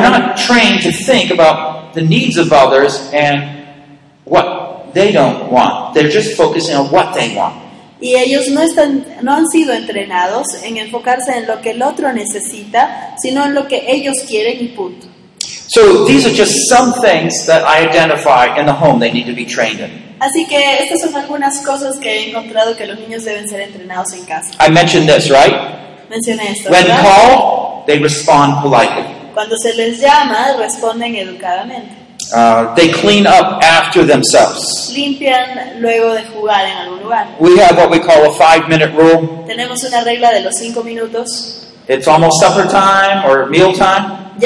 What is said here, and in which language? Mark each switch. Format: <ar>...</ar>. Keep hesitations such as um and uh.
<en>not trained to think about the needs of others and what they don't want. They're just focusing on what they want.</en> <es>Y ellos no están, no han sido entrenados en enfocarse en lo que el otro necesita, sino en lo que ellos quieren y punto.</es> <en>So these are just some things that I identify in the home they need to be trained in.</en> <es>Así que estas son algunas cosas que he encontrado que los niños deben ser entrenados en casa.</es> <en>I mentioned this, right?</en> <es>Mencioné esto.</es> <en>When, when called, they respond politely.</en> <es>Cuando uh, se les llama, responden educadamente.</es> <en>they clean up after themselves.</en> <es>Limpian luego de jugar en algún lugar.</es> <en>We have what we call a five-minute rule.</en> <es>Tenemos una regla de los cinco minutos.</es> <en>It's almost supper time or meal time.</en>